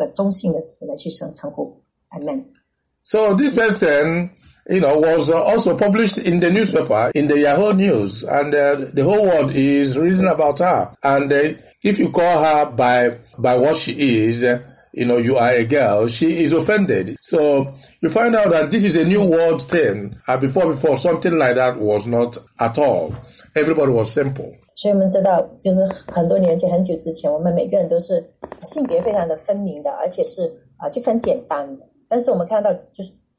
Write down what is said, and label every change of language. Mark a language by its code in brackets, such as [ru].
[zh] 但是我们看到人，当我们称呼他就是这个女性的他，他说你不要称呼我女性的他，就是他就是用的很中性的词，他在这个性别上面就是非常的，就是有点混乱啊。他明明是一个女性，他说你不要用这个女性的他来称呼我，用一个中性的词来去称呼 ，Amen. [en] So this person. You know, was also published in the newspaper, in the Yahoo News, and the whole world is reading about her. And if you call her by what she is, you know, you are a girl, she is offended. So you find out that this is a new world thing. Before, something like that was not at all. Everybody was simple. [zh] 所以我们知道，就是很多年前，很久之前，我们每个人都是性别非常的分明的，而且是就很简单的。但是我们看到，就是。